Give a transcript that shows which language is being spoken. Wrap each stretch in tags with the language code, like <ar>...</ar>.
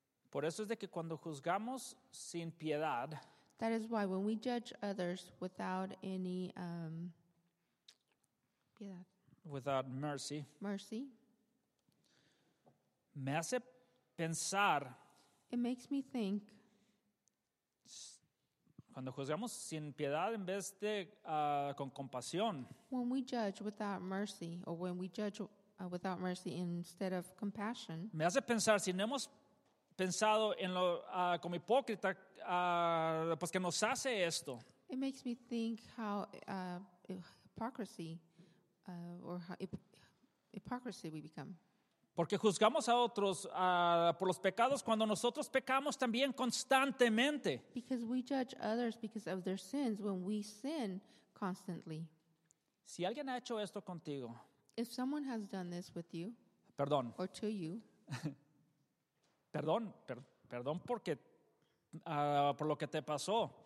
<es>Por eso es de que cuando juzgamos sin piedad.</es> <en>That is why when we judge others without any piedad, without mercy,</en> <es>me hace pensar,</es> <en>it makes me think,</en> <es>cuando juzgamos sin piedad en vez de con compasión,</es> <en>when we judge without mercy, or when we judge without mercy instead of compassion,</en> <es>me hace pensar si no hemos pensado en lo como hipócrita pues que nos hace esto.</es> <en>It makes me think how hypocrisy or how hypocrisy we become.</en> <es>Porque juzgamos a otros por los pecados cuando nosotros pecamos también constantemente.</es> <en>Because we judge others because of their sins when we sin constantly.</en> <es>Si alguien ha hecho esto contigo.</es> <en>If someone has done this with you.</en> <es>Perdón.</es> <en>Or to you.</en> <es>Perdón porque por lo que te pasó.</es>